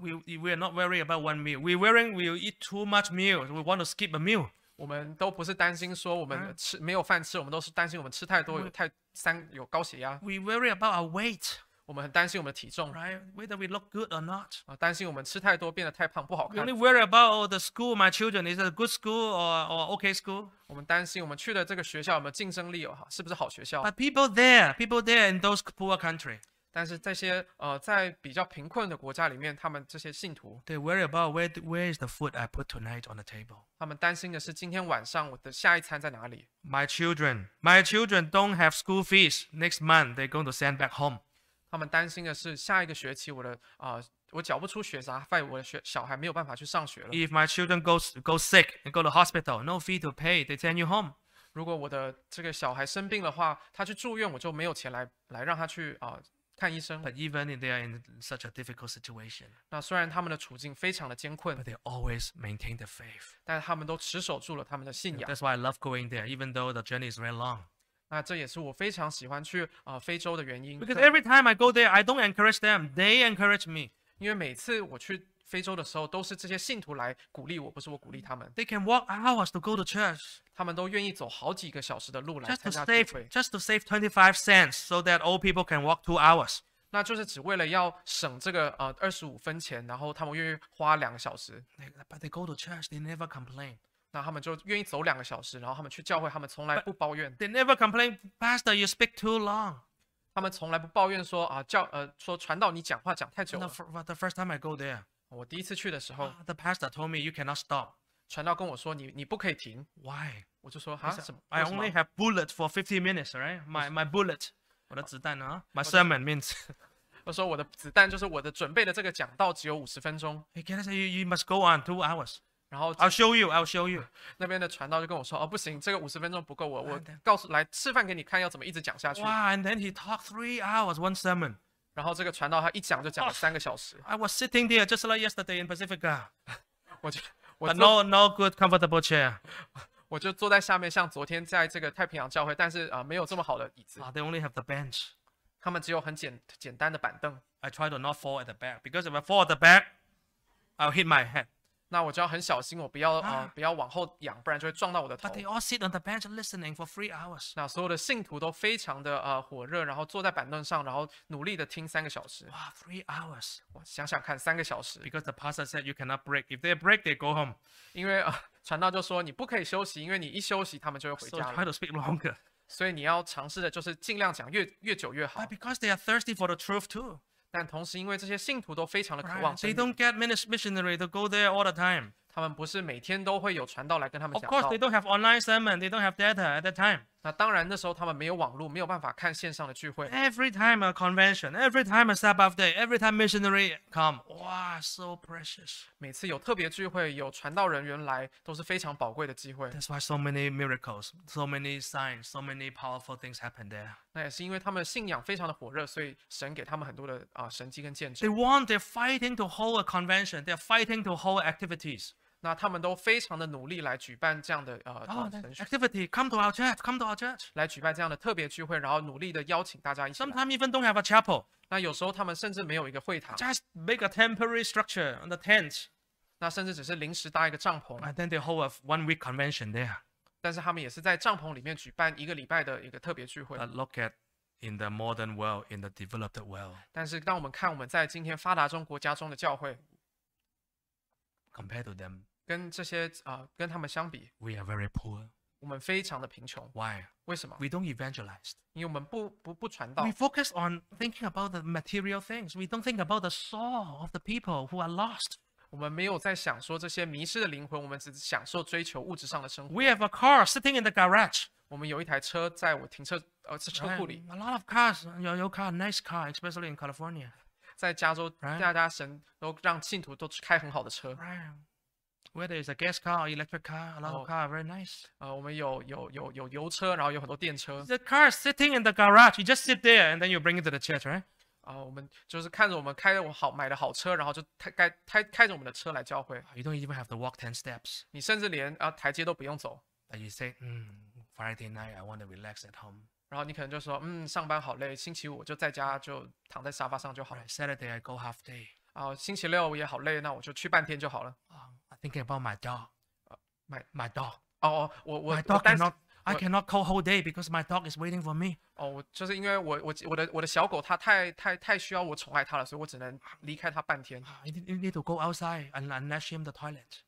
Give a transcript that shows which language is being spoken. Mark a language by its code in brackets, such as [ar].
[en] ？We are not worried about one meal. We worrying we eat too much meal. We want to skip a meal. [zh] 我们都不是担心说我们吃没有饭吃，我们都是担心我们吃太多有高血压。 [en] We worry about our weight。 [zh] 我们很担心我们的体重 [en] ，right? Whether we look good or not。 [zh] 担心我们吃太多变得太胖不好看。 [en] We only worry about the school my children is a good school or okay school。 [zh] 我们担心我们去的这个学校有没有竞争力是不是好学校。 [en] But people there in those poor country。 [zh] 但是这些在比较贫困的国家里面，他们这些信徒， [en] they worry about where is the food I put tonight on the table。 [zh] 他们担心的是今天晚上我的下一餐在哪里。 [en] My children don't have school fees next month. They're going to send back home。 [zh] 他们担心的是下一个学期我缴不出学杂费，我的小孩没有办法去上学了。 [en] If my children go sick and go to hospital, no fee to pay, they send you home。 [zh] 如果我的这个小孩生病的话，他去住院，我就没有钱来让他去看医生。 [en] But even if they are in such a difficult situation, [zh] 那虽然他们的处境非常的艰困 [en] ，but they always maintain the faith。 [zh] 但他们都持守住了他们的信仰。 [en] That's why I love going there, even though the journey is very long。 [zh] 那这也是我非常喜欢去非洲的原因。 [en] Because every time I go there, I don't encourage them; they encourage me。 [zh] 因为每次我去非洲的时候，都是这些信徒来鼓励我，不是我鼓励他们。 [en] They can walk hours to go to church。 [zh] 他们都愿意走好几个小时的路来参加聚会。 [en] Just to save 25 cents so that old people can walk 2 hours。 [zh] 那就是只为了要省这个25分钱，然后他们愿意花两个小时。 [en] But they go to church, they never complain。 [zh] 那他们就愿意走两个小时，然后他们去教会，他们从来不抱怨。 [en] But they never complain, Pastor, you speak too long。 [zh] 他们从来不抱怨说说传道你讲话讲太久了。 [en] The first time I go there。 [zh] 我第一次去的时候 [en] ，The pastor told me you cannot stop。 [zh] 传道跟我说你不可以停。 [en] Why？ [zh] 我就说啊什么 [en] ？I only have bullet for 50 minutes, right? My bullet， [zh] 我的子弹啊 [en] ，my sermon means。 [zh] 我说我的子弹就是我的准备的这个讲道只有50分钟。 [en] He cannot say you must go on 2 hours。 [zh] 然后 [en] I'll show you。 [zh] 那边的传道就跟我说不行，这个50分钟不够我告诉来示范给你看要怎么一直讲下去。 [en] Wow, and then he talked 3 hours one sermon。 [zh] 然后这个传道他一讲就讲了3个小时。 [en] I was sitting there just like yesterday in Pacifica. [zh] 我 [en] no good comfortable chair. [zh] 我就坐在下面，像昨天在这个太平洋教会，但是没有这么好的椅子。 [en] They only have the bench. [zh] 他们只有很简单的板凳。 [en] I try to not fall at the back because if I fall at the back, I'll hit my head. [zh] 那我就要很小心，我不要往后仰，不然就会撞到我的头。 [en] But they all sit on the bench listening for 3 hours. [zh] 那所有的信徒都非常的火热，然后坐在板凳上，然后努力的听3个小时。 [en] 哇 ，3 hours！ [zh] 我想想看，3个小时。 [en] Because the pastor said you cannot break. If they break, they go home. [zh] 因为传道就说你不可以休息，因为你一休息，他们就会回家了。 [en] So try to speak longer. [zh] 所以你要尝试的就是尽量讲越久越好。 [en] But because they are thirsty for the truth too. [zh] 但同时，因为这些信徒都非常的渴望真理。 [en] Right, they don't get missionary to go there all the time. [zh] 他们不是每天都会有传道来跟他们讲道。 [en] Of course, they don't have online sermon. They don't have data at that time. [zh] 那当然，那时候他们没有网络，没有办法看线上的聚会。 [en] Every time a convention, every time a Sabbath day, every time missionary come, wow, so precious. [zh] 每次有特别聚会，有传道人员来，都是非常宝贵的机会。 [en] That's why so many miracles, so many signs, so many powerful things happen there. [zh] 那也是因为他们信仰非常的火热，所以神给他们很多的神迹跟见证。 [en] They want, they're fighting to hold a convention. They're fighting to hold activities. [zh] 那他们都非常的努力来举办这样的 [en] activity, come to our church, come to our church, [zh] 来举办这样的特别聚会，然后努力的邀请大家一起。 [en] Sometimes even don't have a chapel. [zh] 那有时候他们甚至没有一个会堂。 [en] Just make a temporary structure on the tent. [zh] 那甚至只是临时搭一个帐篷。 [en] And then they hold a 1 week convention there. [zh] 但是他们也是在帐篷里面举办一个礼拜的一个特别聚会。 [en] But look at in the modern world, in the developed world. [zh] 但是当我们看我们在今天发达中国家中的教会。 [en] Compared to them, [zh] 跟这些跟他们相比 [en] ，we are very poor. [zh] 我们非常的贫穷。 [en] Why? [zh] 为什么 [en] ？We don't evangelize. [zh] 因为我们不传道。 [en] We focus on thinking about the material things. We don't think about the soul of the people who are lost. [zh] 我们没有在想说这些迷失的灵魂，我们只享受追求物质上的生活。 [en] We have a car sitting in the garage. [zh] 我们有一台车在我停车车库里。 [en] A lot of cars, your car, nice car, especially in California. [zh] 在加州，大家神都让信徒都开很好的车。 [en] Whether it's a gas car or electric car, a lot of cars are very nice. [zh] 我们有油车，然后有很多电车。 [en] The car is sitting in the garage. You just sit there and then you bring it to the church, right? [zh] 我们就是看着我们开着好买的好车，然后就开着我们的车来教会。 [en] You don't even have to walk 10 steps. [zh] 你甚至连台阶都不用走。 [en] But you say, Friday night, I want to relax at home. [zh] 然后你可能就说，上班好累，星期五就在家就躺在沙发上就好了。 [en] Right, Saturday I go half day。 [zh] 星期六也好累，那我就去半天就好了。 [en] I thinking about my dog. My dog. [zh] 我 [en] my dog cannot. I cannot call whole day because my dog is waiting for me. [zh] 就是因为我的小狗它太需要我宠爱它了，所以我只能离开它半天。 [en] You need to go outside and unleash him the toilet.